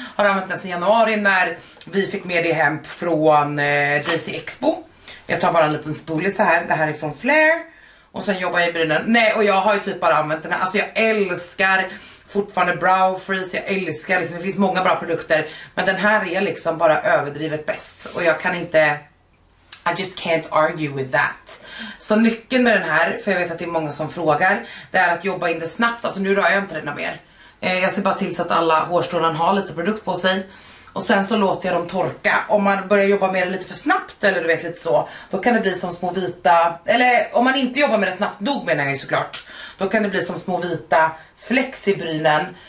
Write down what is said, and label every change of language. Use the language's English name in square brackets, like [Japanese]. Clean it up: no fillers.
[Swedish] Har använt den sedan januari när vi fick med det hem från DC Expo. Jag tar bara en liten spoolie så här. Det här är från Flair. Och sen jobbar jag i brynen. Nej, och jag har ju typ bara använt den här. Alltså jag älskar fortfarande Brow Freeze. Jag älskar liksom, det finns många bra produkter. Men den här är liksom bara överdrivet bäst. Och jag kan inte, [English] I just can't argue with that. [Swedish] Så nyckeln med den här, för jag vet att det är många som frågar, det är att jobba in det snabbt. Alltså nu rör jag inte den mer. Jag ser bara till så att alla hårstrån har lite produkt på sig. Och sen så låter jag dem torka. Om man börjar jobba med det lite för snabbt, eller du vet lite så, då kan det bli som små vita, eller om man inte jobbar med det snabbt nog menar jag såklart, då kan det bli som små vita flex i brynen.